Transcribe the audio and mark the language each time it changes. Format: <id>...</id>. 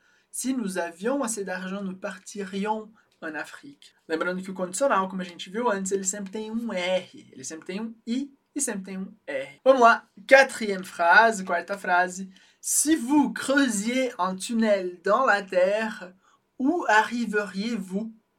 <fr>Se nous avions assez d'argent, nous partirions en Afrique.</fr> <pt>Lembrando que o condicional, como a gente viu antes, ele sempre tem um R. Ele sempre tem um I e sempre tem um R. Vamos lá.</pt> <fr>Quatrième phrase,</fr> <pt>quarta frase.</pt> <fr>Si vous creusiez un tunnel dans la terre, où arriveriez-vous?</fr>